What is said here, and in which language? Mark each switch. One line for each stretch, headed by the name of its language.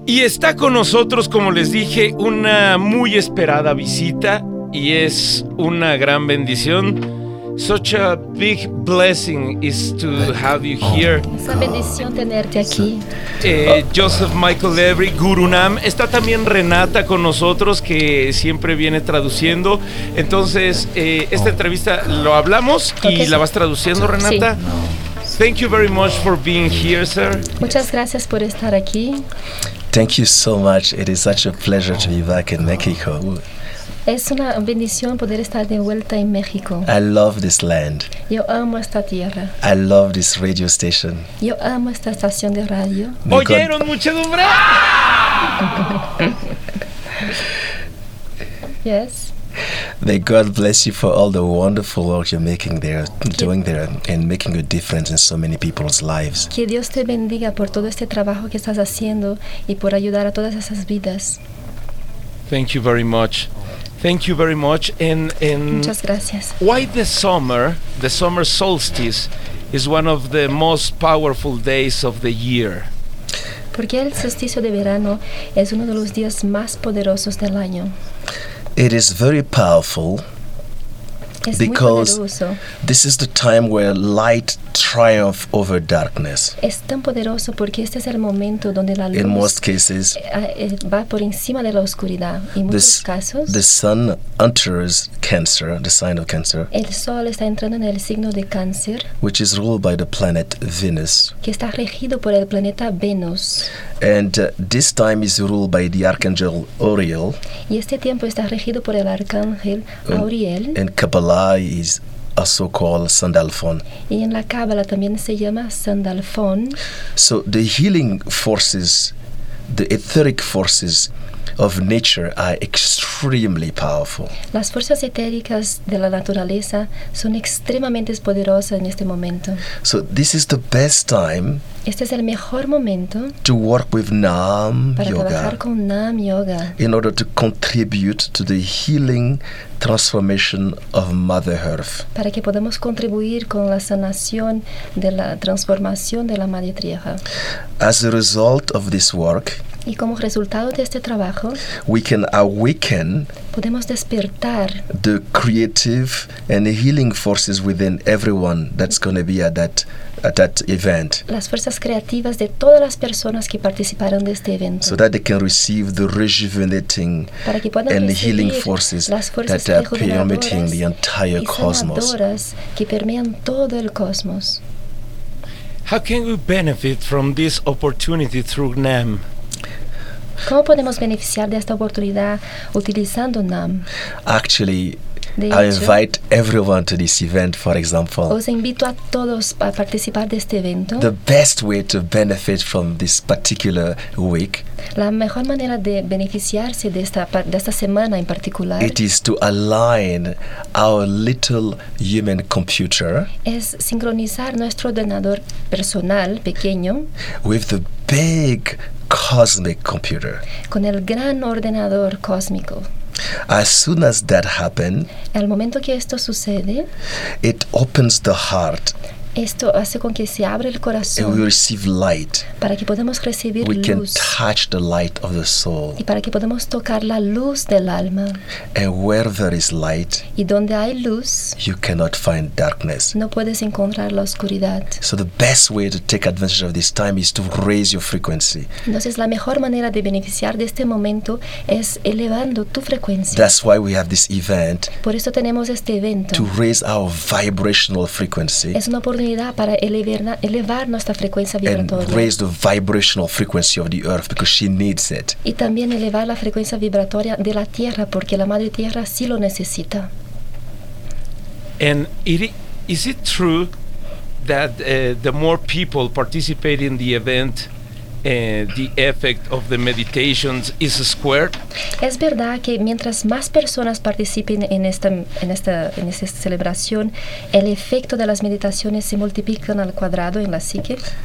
Spanish: Y está con nosotros, como les dije, una muy esperada visita y es una gran bendición.
English: Such a big blessing is to have you here.
Spanish: Es una bendición tenerte aquí. Joseph Michael Avery, Guru Nam. Está también Renata con nosotros, que siempre viene traduciendo. Entonces, esta entrevista lo hablamos y la vas traduciendo, Renata. Sí.
English: Thank you very much for being here, sir.
Spanish: Muchas gracias por estar aquí.
English: Thank you so much. It is such a pleasure to be back in Mexico.
Spanish: Es una bendición poder estar de vuelta en México.
English: I love this land.
Spanish: Yo amo esta tierra.
English: I love this radio station.
Spanish: Yo amo esta estación de radio. ¡Oyeron, muchedumbre!
English: Yes. May God bless you for all the wonderful work you're making there, doing there, and making a difference in so many people's lives.
Spanish: Que Dios te bendiga por todo este trabajo que estás haciendo y por ayudar a todas esas vidas.
English: Thank you very much. Thank you very much. And
Spanish: muchas gracias.
English: Why the summer solstice, is one of the most powerful days of the year?
Spanish: Porque el solsticio de verano es uno de los días más poderosos del año.
English: It is very powerful because this is the time where light triumphs over darkness.
Spanish: Es tan poderoso porque este es el momento donde la luz
English: in most cases
Spanish: va por encima de la oscuridad. En muchos casos,
English: the sun enters Cancer, the sign of Cancer.
Spanish: El sol está entrando en el signo de Cáncer,
English: which is ruled by the planet Venus.
Spanish: Que está regido por el planeta Venus.
English: And this time is ruled by the archangel Uriel.
Spanish: Y este tiempo está regido por el arcángel Uriel.
English: And Kabbalah is a so-called Sandalphon.
Spanish: Y en la Cábala también se llama Sandalphon.
English: So the healing forces, the etheric forces of nature are extremely powerful.
Spanish: Las fuerzas etéricas de la naturaleza son extremadamente poderosas en este momento.
English: So this is the best time.
Spanish: Este es el mejor momento
English: to work with Nam
Spanish: para
English: yoga.
Spanish: Trabajar con Nam Yoga.
English: In order to contribute to the healing transformation of Mother Earth.
Spanish: Para que podamos contribuir con la sanación de la transformación de la Madre Tierra.
English: As a result of this work,
Spanish: y como resultado de este trabajo,
English: we can awaken,
Spanish: podemos despertar
English: the creative and the healing forces within everyone that's going to be at that event.
Spanish: Las fuerzas creativas de todas las personas que participaron de este evento.
English: So that they can receive the rejuvenating and the healing forces that are permeating the entire cosmos.
Spanish: Que permean todo el cosmos.
English: How can we benefit from this opportunity through NAM?
Spanish: ¿Cómo podemos beneficiar de esta oportunidad utilizando NAM?
English: Actually,
Spanish: hecho,
English: I invite everyone to this event, for example.
Spanish: Os invito a todos a participar de este evento.
English: The best way to benefit from this particular week.
Spanish: La mejor manera de beneficiarse de esta semana en particular.
English: It is to align our little human computer.
Spanish: Es sincronizar nuestro ordenador personal pequeño.
English: With the big cosmic computer.
Spanish: Con el gran ordenador cósmico.
English: As soon as that happens,
Spanish: el momento que esto sucede,
English: it opens the heart.
Spanish: Esto hace con que se abra el corazón.
English: And we receive light.
Spanish: Para que podamos recibir
English: we
Spanish: luz.
English: Can touch the light of the soul.
Spanish: Y para que podamos tocar la luz del alma.
English: And where there is light,
Spanish: y donde hay luz,
English: you cannot find darkness.
Spanish: No puedes encontrar la oscuridad.
English: So the best way to take advantage of this time is to raise your frequency.
Spanish: Entonces la mejor manera de beneficiar de este momento es elevando tu frecuencia.
English: That's why we have this event.
Spanish: Por eso tenemos este evento.
English: To raise our vibrational frequency.
Spanish: Es una oportunidad para elevar nuestra frecuencia vibratoria.
English: And raise the vibrational frequency of the earth because she needs it.
Spanish: Y también elevar la frecuencia vibratoria de la tierra porque la madre tierra sí lo necesita.
English: And is it true that the more people participate in the event, the effect of the meditations is squared?
Spanish: Es verdad que mientras más personas participen en esta celebración, el efecto de las meditaciones se multiplican al cuadrado en la psique.